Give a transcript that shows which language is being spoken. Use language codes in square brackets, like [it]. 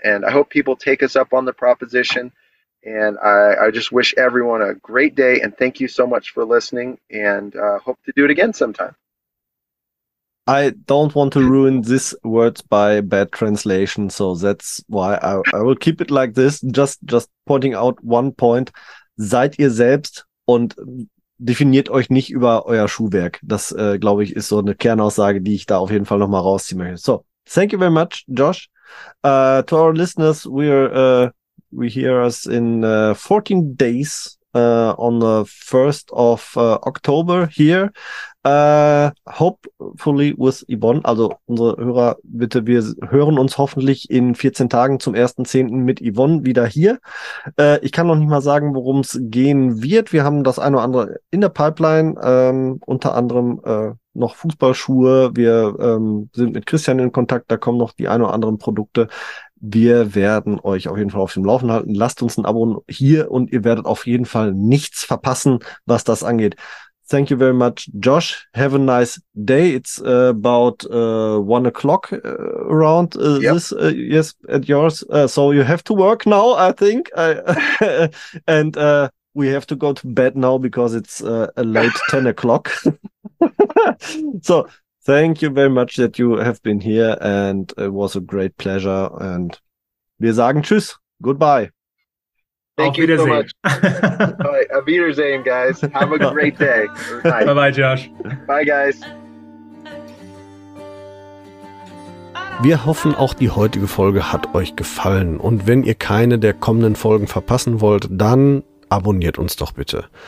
[en] And I hope people take us up on the proposition. And I just wish everyone a great day. And thank you so much for listening. And hope to do it again sometime. I don't want to ruin this words by bad translation. So that's why I will keep it like this. Just pointing out one point. [de] Seid ihr selbst und definiert euch nicht über euer Schuhwerk. Das, glaube ich, ist so eine Kernaussage, die ich da auf jeden Fall nochmal rausziehen möchte. [en] So, thank you very much, Josh. To our listeners, we hear us in 14 days on the 1st of October here. Hopefully with Yvonne. [de] Also unsere Hörer, bitte, wir hören uns hoffentlich in 14 Tagen zum 1.10. mit Yvonne wieder hier. Ich kann noch nicht mal sagen, worum es gehen wird. Wir haben das eine oder andere in der Pipeline, unter anderem noch Fußballschuhe. Wir sind mit Christian in Kontakt, da kommen noch die ein oder anderen Produkte. Wir werden euch auf jeden Fall auf dem Laufenden halten. Lasst uns ein Abo hier und ihr werdet auf jeden Fall nichts verpassen, was das angeht. [en] Thank you very much, Josh. Have a nice day. It's about 1 o'clock around yes, at yours. So you have to work now, I think. And we have to go to bed now because it's a late 10 o'clock. So thank you very much that you have been here and it was a great pleasure. And [de] wir sagen tschüss. [en] Goodbye. Thank you so much. All right, [de] auf Wiedersehen, [en] guys. Have a great day. Bye. Bye-bye, Josh. Bye, guys. [de] Wir hoffen, auch die heutige Folge hat euch gefallen. Und wenn ihr keine der kommenden Folgen verpassen wollt, dann abonniert uns doch bitte.